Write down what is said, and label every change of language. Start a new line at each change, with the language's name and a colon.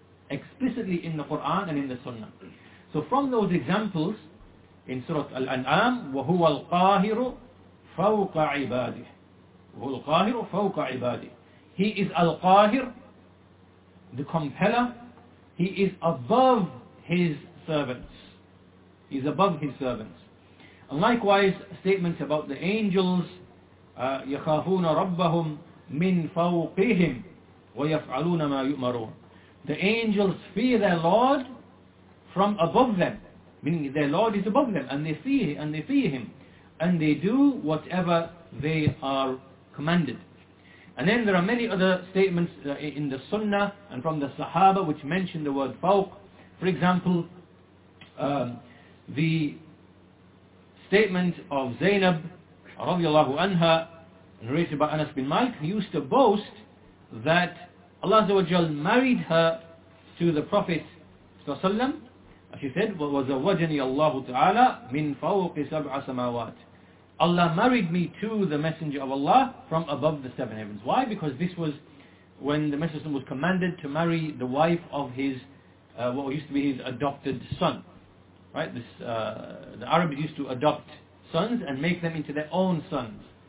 English: Explicitly in the Quran and in the Sunnah. So from those examples, in Surah Al-An'am,
Arabic: وَهُوَ الْقَاهِرُ فَوْقَ عِبَادِهِ. وَهُوَ الْقَاهِرُ فَوْقَ عِبَادِهِ.
English: He is Al-Qahir, the compeller. He is above His servants. He is above His servants. And likewise, statements about the angels,
Arabic: يَخَافُونَ رَبَّهُمْ مِنْ فَوْقِهِمْ وَيَفْعَلُونَ مَا يُؤْمَرُونَ.
English: The angels fear their Lord from above them, meaning their Lord is above them, and they fear Him, and they do whatever they are commanded. And then there are many other statements in the Sunnah and from the Sahaba which mention the word fawq. For example, the statement of Zainab radiallahu anha, narrated by Anas bin Malik, used to boast that Allah Azza wa Jal married her to the Prophet ﷺ. She said,
Arabic: وَزَوَّجَنِي اللَّهُ تَعَالَى مِنْ فَوْقِ سَبْعَ سَمَاوَاتِ.
English: Allah married me to the Messenger of Allah from above the seven heavens. Why? Because this was when the Messenger was commanded to marry the wife of his, what used to be his adopted son. Right? The Arabs used to adopt sons and make them into their own sons.